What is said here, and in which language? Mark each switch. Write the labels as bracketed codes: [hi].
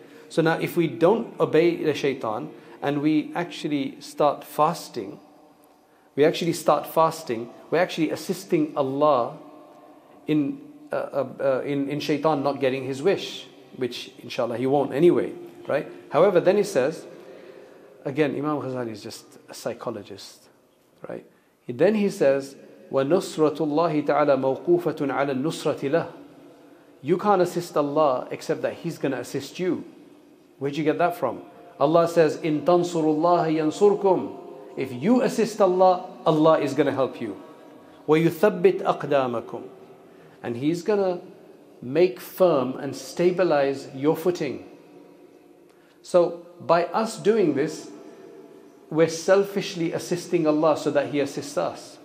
[en] So now if we don't obey the shaitan and we actually start fasting, we're actually assisting Allah in shaitan not getting his wish, which inshallah he won't anyway, right? However, then he says, again, Imam Ghazali is just a psychologist, right? Then he says, [ar] وَنُصْرَةُ اللَّهِ تَعَلَى مَوْقُوفَةٌ عَلَى النُصْرَةِ لَهُ. [en] You can't assist Allah except that He's going to assist you. Where'd you get that from? Allah says, [ar] إِن تَنْصُرُ اللَّهِ يَنْصُرْكُمْ. [en] If you assist Allah, Allah is going to help you. [ar] وَيُثَبِّتْ أَقْدَامَكُمْ. [en] And He's going to make firm and stabilize your footing. So by us doing this, we're selfishly assisting Allah so that He assists us.